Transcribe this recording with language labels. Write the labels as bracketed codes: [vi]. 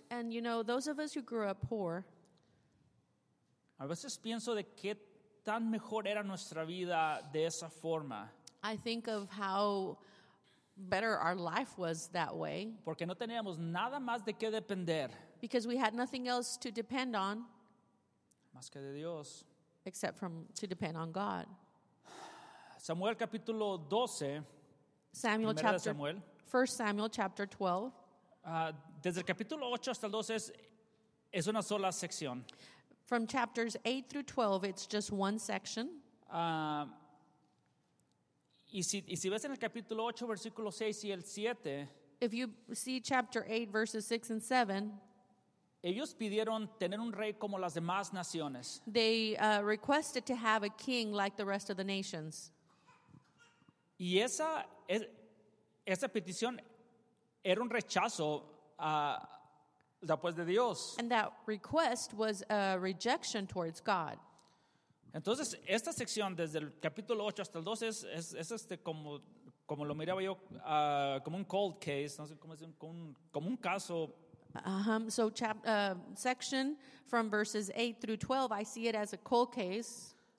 [en] And you know, those of us who grew up poor. [es] A veces pienso de qué tan mejor era nuestra vida de esa forma. [en] I think of how better our life was that way. [es] Porque no teníamos nada más de qué depender. [en] Because we had nothing else to depend on. [es] Más que de Dios. [en] Except from to depend on God. [es] Samuel capítulo 12. [en] Samuel chapter. First Samuel chapter 12. [es] Desde el capítulo 8 hasta el 12 es una sola sección. [en] From chapters 8 through 12, it's just one section. [es] Y si ves en el capítulo 8, versículo 6 y el 7. [en] If you see chapter 8, verses 6 and 7. [es] Ellos pidieron tener un rey como las demás naciones. [en] They requested to have a king like the rest of the nations. [es] Y esa petición era un rechazo después de Dios. [en] And that request was a rejection towards God. [es] Entonces, esta sección desde el capítulo 8 hasta el 12 es como lo miraba yo, como un [en] cold case, [es] no sé cómo decir, como un caso. [en] So section from verses 8 through 12, I see it as a cold case.